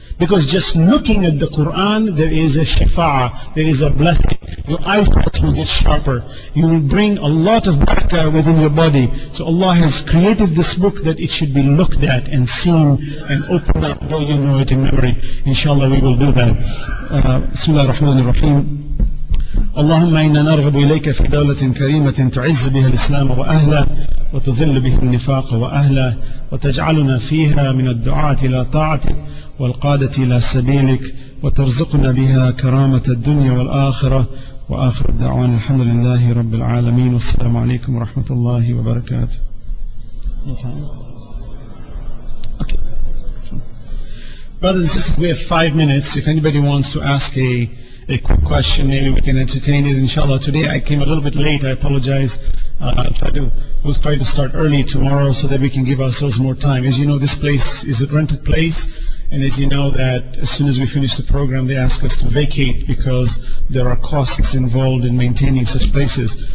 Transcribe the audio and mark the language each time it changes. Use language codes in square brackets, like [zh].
[en] Because just looking at the Quran, there is a shifa, there is a blessing. Your eyesight will get sharper. You will bring a lot of barakah within your body. So Allah has created this book that it should be looked at and seen and opened up though you know it in memory. Inshallah, we will do that. [ar] Bismillah ar-Rahman ar-Rahim. اللهم إنا نرغب إليك في دولة كريمة تعز بها الإسلام وأهله وتذل به النفاق وأهله وتجعلنا فيها من الدعاة إلى طاعتك والقادة إلى سبيلك وترزقنا بها كرامة الدنيا والآخرة وآخر الدعوان الحمد لله رب العالمين والسلام عليكم ورحمة الله وبركاته. [en] Okay. Brothers and sisters, we have 5 minutes. If anybody wants to ask a quick question, maybe we can entertain it, inshallah. Today I came a little bit late, I apologize. We'll try to start early tomorrow so that we can give ourselves more time. As you know, this place is a rented place, and as you know that as soon as we finish the program, they ask us to vacate because there are costs involved in maintaining such places.